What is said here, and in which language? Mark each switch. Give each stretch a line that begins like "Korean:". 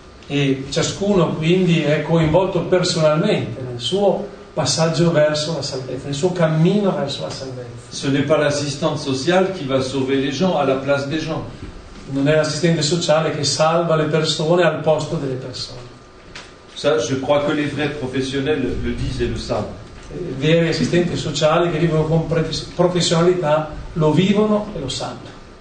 Italian: Et ciascuno quindi è coinvolto personalmente nel suo passaggio verso la salvezza, nel suo cammino verso la salvezza.
French: Ce n'est pas l'assistante sociale qui va sauver les gens à la place des gens.
Italian: Non è l'assistente sociale che salva le persone al posto delle persone.
French: Ça, je crois que les vrais professionnels le disent et le savent.
Italian: Veri assistenti sociali che vivono con professionalità lo vivono e lo sanno.